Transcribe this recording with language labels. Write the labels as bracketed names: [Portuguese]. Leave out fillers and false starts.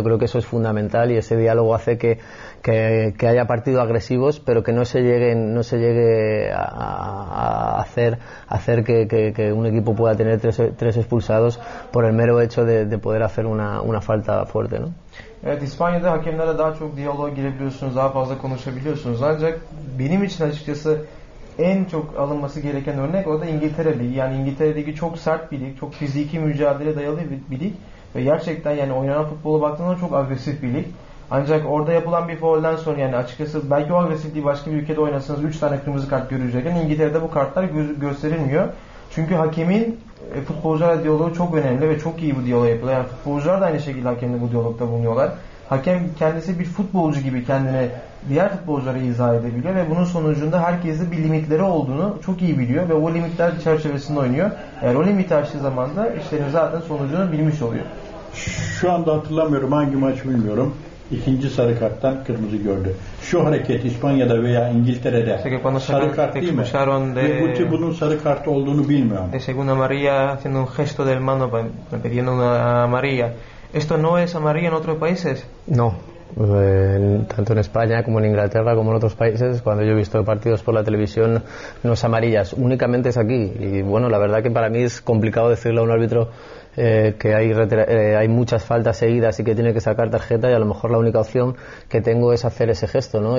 [Spanish] Yo creo que eso es fundamental y ese diálogo hace que haya partidos agresivos, pero que no se llegue a hacer que un equipo pueda tener tres expulsados por el mero hecho de poder hacer una falta fuerte, ¿no? [Turkish] Evet, İspanya'da hakemlere daha çok diyaloğa girebiliyorsunuz, daha fazla konuşabiliyorsunuz. Ancak benim için açıkçası en çok alınması gereken örnek o da İngiltere Ligi. Yani İngiltere Ligi çok sert bir lig, çok fiziki mücadele dayalı bir lig. Ve gerçekten yani oynanan futbola baktığında çok agresif bir lig. Ancak orada yapılan bir faulden sonra yani açıkçası belki o agresifliği başka bir ülkede oynasanız 3 tane kırmızı kart görecekken İngiltere'de bu kartlar gösterilmiyor. Çünkü hakemin futbolcularla diyaloğu çok önemli ve çok iyi bu diyaloğu yapılıyor. Yani futbolcular da aynı şekilde hakemle bu diyalogda bulunuyorlar. hakem kendisi bir futbolcu gibi kendine diğer futbolcuları izah edebiliyor ve bunun sonucunda herkesin bir limitleri olduğunu çok iyi biliyor ve o limitler çerçevesinde oynuyor. Eğer o limiti aştığı zaman da işlerin zaten sonucunu bilmiş oluyor. Şu anda hatırlamıyorum, hangi maç bilmiyorum. İkinci sarı karttan kırmızı gördü. Şu hareket İspanya'da veya İngiltere'de sarı kart değil mi? Ve Guti bunun sarı kart olduğunu bilmiyor ama. [Spanish] De segunda María haciendo un gesto del mano pidiendo una María. ¿Esto no es amarilla en otros países? No, tanto en España como en Inglaterra como en otros países, cuando yo he visto partidos por la televisión, no es amarilla, únicamente es aquí. Y bueno, la verdad que para mí es complicado decirle a un árbitro que hay muchas faltas seguidas y que tiene que sacar tarjeta, y a lo mejor la única opción que tengo es hacer ese gesto, ¿no?